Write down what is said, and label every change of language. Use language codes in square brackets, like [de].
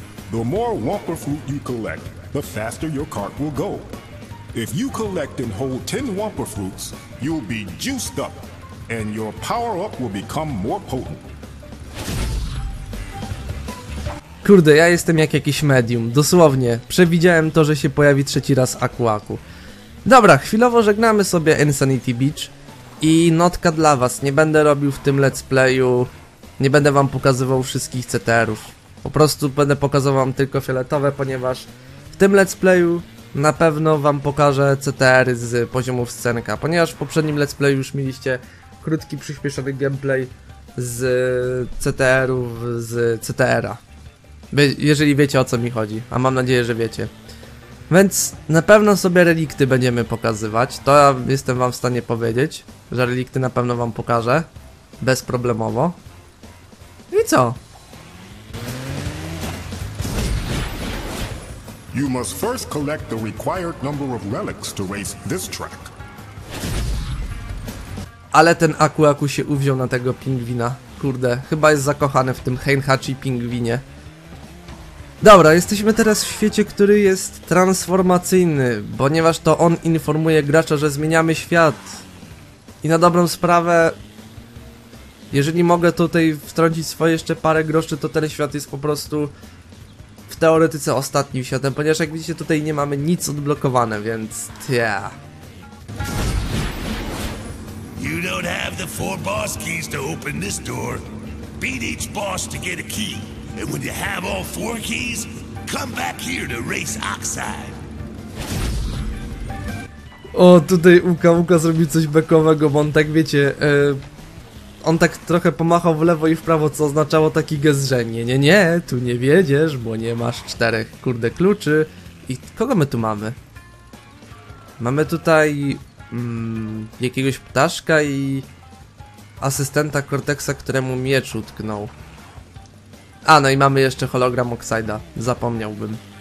[en] The more Wumpa fruit you collect, the faster your cart will go. If you collect and hold 10 Wumpa fruits, you'll be juiced up and your power up will become more potent. [pl] Kurde, ja jestem jak jakiś medium. Dosłownie, przewidziałem to, że się pojawi trzeci raz Aku Aku. Dobra, chwilowo żegnamy sobie Insanity Beach. I notka dla was, nie będę robił w tym let's playu, nie będę wam pokazywał wszystkich CTR-ów. Po prostu będę pokazywał wam tylko fioletowe, ponieważ w tym let's playu na pewno wam pokażę CTR-y z poziomów scenka. Ponieważ w poprzednim let's playu już mieliście krótki, przyspieszony gameplay z CTR-ów, z CTR-a. Jeżeli wiecie, o co mi chodzi, a mam nadzieję, że wiecie. Więc na pewno sobie relikty będziemy pokazywać. To ja jestem wam w stanie powiedzieć, że relikty na pewno wam pokażę bezproblemowo. I co? [en] You must first collect the required number of relics to race this track. [pl] Ale ten Aku Aku się uwziął na tego pingwina. Kurde, chyba jest zakochany w tym Heihachi pingwinie. Dobra, jesteśmy teraz w świecie, który jest transformacyjny, ponieważ to on informuje gracza, że zmieniamy świat. I na dobrą sprawę, jeżeli mogę tutaj wtrącić swoje jeszcze parę groszy, to ten świat jest po prostu w teoretyce ostatnim światem, ponieważ jak widzicie, tutaj nie mamy nic odblokowane, więc yeah. [en] You don't have the four boss keys to open this door. Beat each boss to get a key. And when you have all four keys, come back here to race Oxide. [pl] O, tutaj Uka zrobił coś bekowego, bo on tak, wiecie, on tak trochę pomachał w lewo i w prawo, co oznaczało taki gest, że nie, tu nie wjedziesz, bo nie masz czterech, kurde, kluczy. I kogo my tu mamy? Mamy tutaj jakiegoś ptaszka i asystenta Cortexa, któremu miecz utknął. A, no i mamy jeszcze hologram Oxide'a. Zapomniałbym.